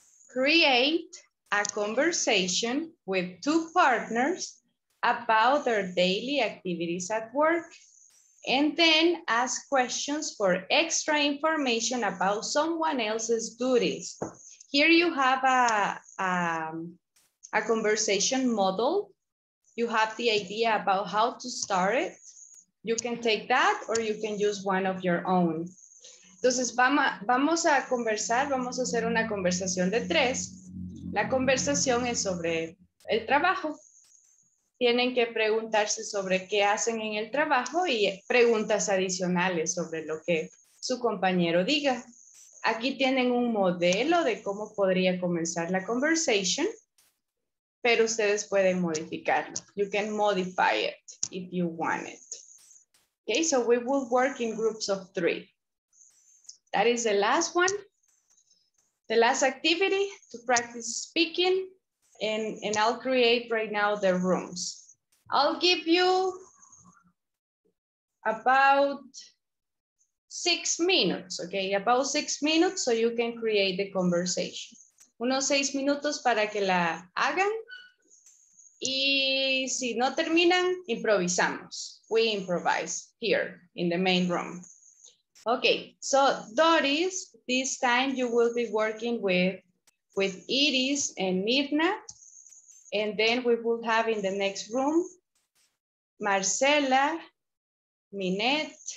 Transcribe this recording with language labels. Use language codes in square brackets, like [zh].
[en] Create a conversation with two partners about their daily activities at work, and then ask questions for extra information about someone else's duties. Here you have a conversation model. You have the idea about how to start it. You can take that or you can use one of your own. [es] Entonces, vamos a conversar, vamos a hacer una conversación de tres. La conversación es sobre el trabajo. Tienen que preguntarse sobre qué hacen en el trabajo y preguntas adicionales sobre lo que su compañero diga. Aquí tienen un modelo de cómo podría comenzar la conversation, pero ustedes pueden modificarlo. [en] You can modify it if you want it. Okay, so we will work in groups of three. That is the last one, the last activity to practice speaking, and I'll create right now the rooms. I'll give you about 6 minutes, okay? About 6 minutes so you can create the conversation. [es] Unos 6 minutos para que la hagan, y si no terminan, improvisamos. [en] We improvise here in the main room. Okay, so Doris, this time you will be working with Iris and Mirna, and then we will have in the next room, Marcela, Minette,